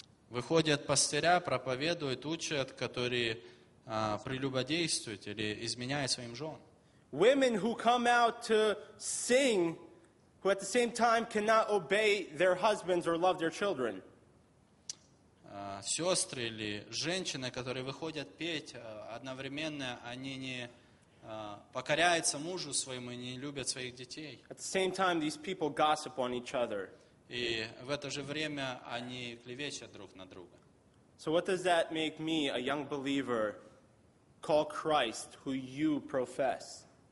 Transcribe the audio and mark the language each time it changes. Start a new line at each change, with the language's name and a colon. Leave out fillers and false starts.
Russian: Выходят пастыря, проповедуют, учат, которые прелюбодействуют или изменяют своим жен.
English: Women who come out to sing, who at the same time cannot obey their husbands or love their children.
Russian: Сестры или женщины, которые выходят петь одновременно, они не покоряются мужу своему и не любят своих детей.
English: At the same time, these people gossip on each other.
Russian: И в это же время они клевещут друг на друга.
English: So what does that make me, a young believer, call Christ, who you profess?